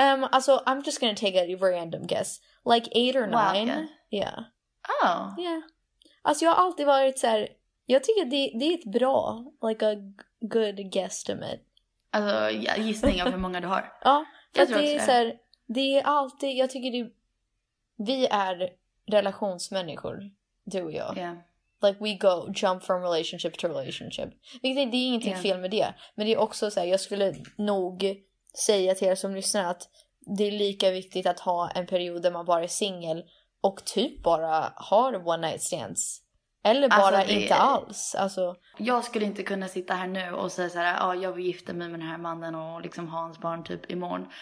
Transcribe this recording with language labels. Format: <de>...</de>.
<en>Also, I'm just gonna take a random guess. Like 8 or 9. Wow, yeah. Yeah. Oh. Yeah.</en> <sv>Alltså, jag har alltid varit så här... jag tycker det är ett bra...</sv> <en>like a good guesstimate.</en> <sv>Alltså, ja, gissning av hur många du har. Ja. Jag tror det är så här, det är alltid, jag tycker det, vi är relationsmänniskor. du och jag. Ja.</sv> <en>Like we go jump from relationship to relationship.</en> <sv>Vilket det är ingenting fel med det. Men det är också så här, jag skulle nog säga till er som lyssnar att det är lika viktigt att ha en period där man bara är singel och typ bara har</sv> <en>one night stands.</en> <sv>Eller bara alltså inte alls. Alltså, jag skulle inte kunna sitta här nu och säga så här, ah, jag vill gifta mig med den här mannen och liksom ha hans barn typ imorgon.</sv>